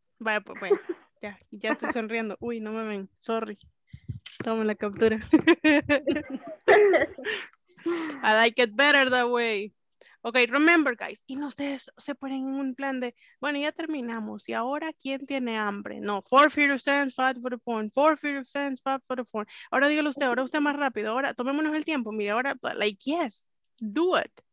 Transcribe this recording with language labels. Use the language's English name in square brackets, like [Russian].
[Spanish] Vaya, pues, bueno, ya estoy sonriendo. Uy, no me ven, sorry. Toma la captura. [English] I like it better that way. Ok, remember, guys, [Spanish] y no ustedes se ponen en un plan de, bueno, ya terminamos, y ahora, ¿quién tiene hambre? [English] No, four furious friends fought for the phone, four furious friends fought for the phone. [Spanish] Ahora dígalo usted, ahora usted más rápido, ahora tomémonos el tiempo, mire, ahora, [English] like, yes, do it.